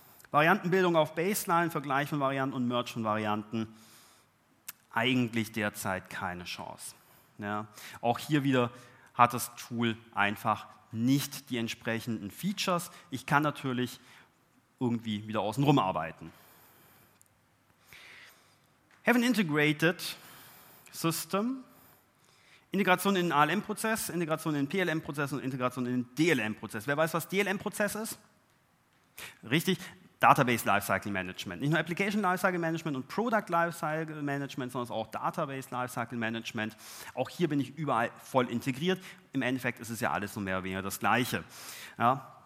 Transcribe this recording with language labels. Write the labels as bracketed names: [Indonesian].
[German] Variantenbildung auf Baseline, Vergleich von Varianten und Merge von Varianten, eigentlich derzeit keine Chance. Ja. Auch hier wieder hat das Tool einfach nicht die entsprechenden Features. Ich kann natürlich irgendwie wieder außenrum arbeiten. [English] Have an integrated system. [German] Integration in den ALM-Prozess, Integration in den PLM-Prozess und Integration in den DLM-Prozess. Wer weiß, was DLM-Prozess ist? Richtig. Database Lifecycle Management. Nicht nur Application Lifecycle Management und Product Lifecycle Management, sondern auch Database Lifecycle Management. Auch hier bin ich überall voll integriert. Im Endeffekt ist es ja alles so mehr oder weniger das Gleiche. Ja.